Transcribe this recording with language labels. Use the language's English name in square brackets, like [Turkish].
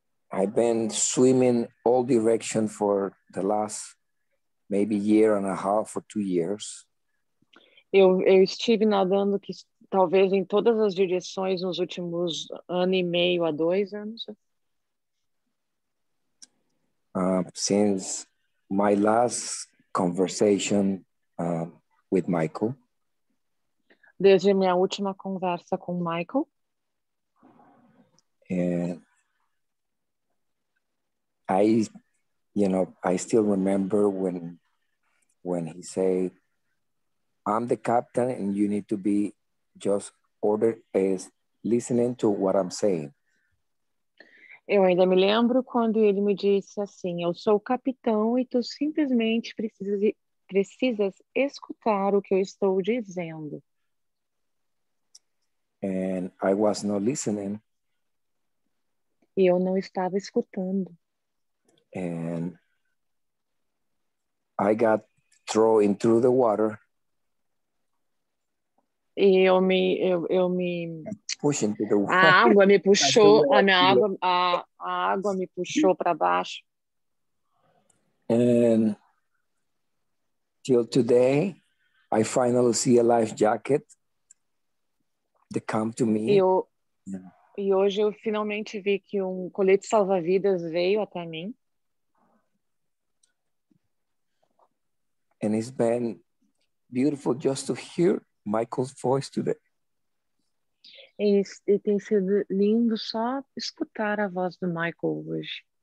[English] I've been swimming all directions for the last maybe year and a half or 2 years. [Portuguese] Eu estive nadando que talvez em todas as direções nos últimos ano e meio a 2 anos. [English] Since my last conversation with Michael. [Portuguese] Desde minha última conversa com Michael. [English] And I still remember when he said, I'm the captain and you need to be just ordered as listening to what I'm saying. [Portuguese] Eu ainda me lembro quando ele me disse assim, eu sou o capitão e tu simplesmente precisa precisas escutar o que eu estou dizendo. [English] And I was not listening. [Portuguese] E eu não estava escutando. [English] And I got thrown into the water. [Portuguese] E eu me [English] push into the water. [Portuguese] A água me puxou, a água me puxou para baixo. [English] And till today, I finally see a life jacket that come to me. [Portuguese] E hoje eu finalmente vi que um colete salva-vidas veio até mim. [English] And it's been beautiful just to hear Michael's voice today. [Portuguese] E tem sido lindo só escutar a voz do Michael hoje.